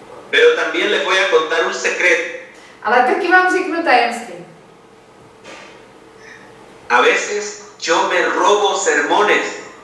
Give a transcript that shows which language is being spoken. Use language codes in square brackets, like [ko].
[es] Pero también les voy a contar un secreto. [cs] Ale taky vám řeknu tajemství. [es] A veces yo me robo sermones.